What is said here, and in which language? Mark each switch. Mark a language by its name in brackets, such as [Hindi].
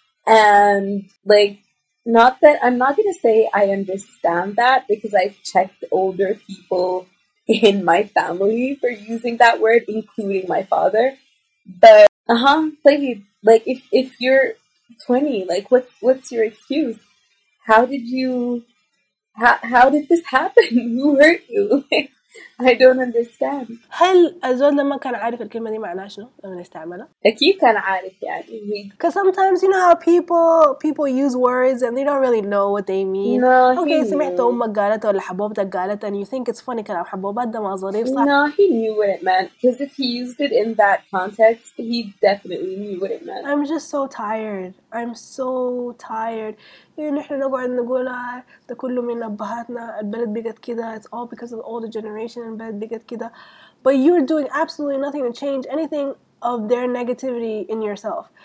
[English] And like, not that, I'm not gonna say I understand that, because I've checked older people in my family for using that word, including my father, but like if you're 20, like what's your excuse? How did this happen? Who hurt you? I don't understand. [Arabic] هل الزول لما كان عارف الكلمة دي معناها شنو لما استعملها؟ أكيد كان عارف يعني. [English] Because sometimes you know how people use words and they don't really know what they mean. No, okay, he [Arabic] سمعت [English] knew. [Arabic] أمك قالت ولا حبوبتك قالت [English] and you think it's funny [Arabic] كلام حبوبات ده ما ظريف صح؟ [English] No, he knew what it meant. Because if he used it in that context, he definitely knew what it meant. I'm just so tired. I'm so tired. [Arabic] نحن نقعد نقولها ده كله من أبهاتنا البلد بقت كده [English] it's all because of all the generation [Arabic] البلد بقت كده [English] but you're doing absolutely nothing to change anything of their negativity in yourself